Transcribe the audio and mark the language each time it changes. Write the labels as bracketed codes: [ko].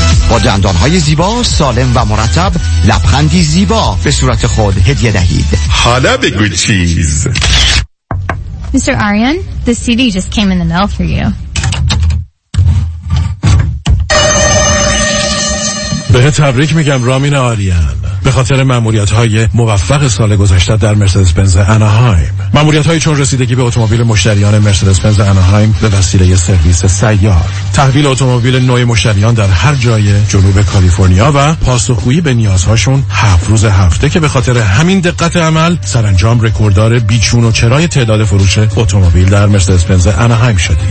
[fa] با دندان‌های زیبا، سالم و مرتب، لبخندی زیبا به صورت خود هدیه دهید. حالا بگو چیز. [en] Mr. Aryan, the CD just came in the mail for you. [fa] بهت تبریک میگم رامین آریان، به خاطر ماموریت‌های موفق سال گذشته در مرسدس بنز آنهایم. ماموریت‌های چون رسیدگی به اتومبیل مشتریان مرسدس بنز آنهایم به وسیله سرویس سیار، تحویل اتومبیل نوع مشتریان در هر جای جنوب کالیفرنیا و پاسخگویی به نیازهاشون 7 روز هفته، که به خاطر همین دقت عمل سرانجام رکورددار بیچون و چرای تعداد فروش اتومبیل در مرسدس بنز آنهایم شدی.